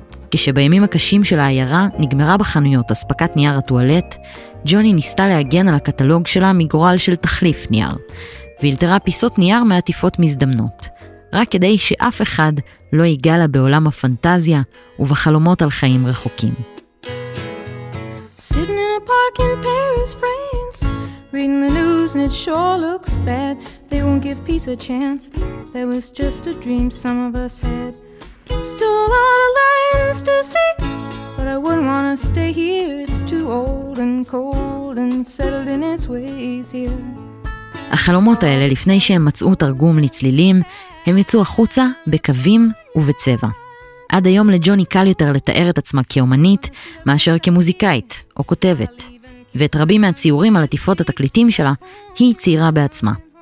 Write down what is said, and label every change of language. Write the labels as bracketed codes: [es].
[he] כשבימים הקשים של העיירה נגמרה בחנויות אספקת נייר הטואלט, ג'וני ניסתה להגן על הקטלוג שלה מגורל של תחליף נייר, והלתרה פיסות נייר מעטיפות מזדמנות, רק כדי שאף אחד לא ייגע לה בעולם הפנטזיה ובחלומות על חיים רחוקים. [en] Sitting in a park in Paris, France, reading the news and it sure looks bad. They won't give peace a chance. That was just a dream some of us had. Still a lot of lands to see, but I wouldn't want to stay here. It's too old and cold and settled in its ways here. [he] החלומות האלה, לפני שהם מצאו תרגום לצלילים, הם יצאו החוצה בקווים ובצבע. עד היום לג'וני קל יותר לתאר את עצמה כאומנית מאשר כמוזיקאית או כותבת. ואת רבים מהציורים על עטיפות התקליטים שלה, היא ציירה בעצמה.